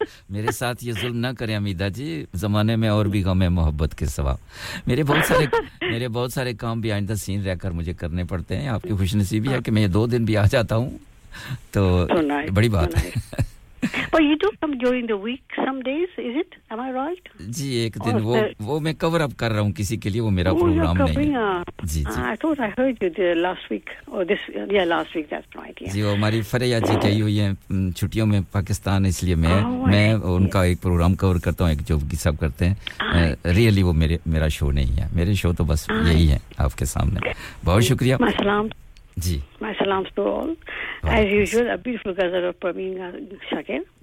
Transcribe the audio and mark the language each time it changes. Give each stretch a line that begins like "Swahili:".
Hindi: मेरे साथ ये जुल्म ना करें अमीदा जी. जमाने में और भी गम है मोहब्बत के सवा. मेरे बहुत सारे काम
English: behind the scene
Hindi: रहकर मुझे करने पड़ते हैं. आपकी खुशनसीबी है कि मैं दो दिन भी आ जाता हूं तो बड़ी बात है.
English: But you do come during the week some days, is it? Am I right?
Hindi: जी एक दिन वो मैं कवर अप कर रहा हूं किसी के लिए. वो मेरा प्रोग्राम नहीं है. जी जी.
English: I thought I heard you last week or this yeah last week that's right yeah.
Hindi: जी वो हमारी फरिया जी कही हुई है छुट्टियों में पाकिस्तान इसलिए मैं उनका एक प्रोग्राम कवर करता हूं एक जॉब की सब करते हैं. रियली वो मेरा शो नहीं है. मेरे शो तो बस यही है आपके सामने. बहुत शुक्रिया. जी
English: My salaams to all. As usual, a beautiful gazelle of Praveen Shakir.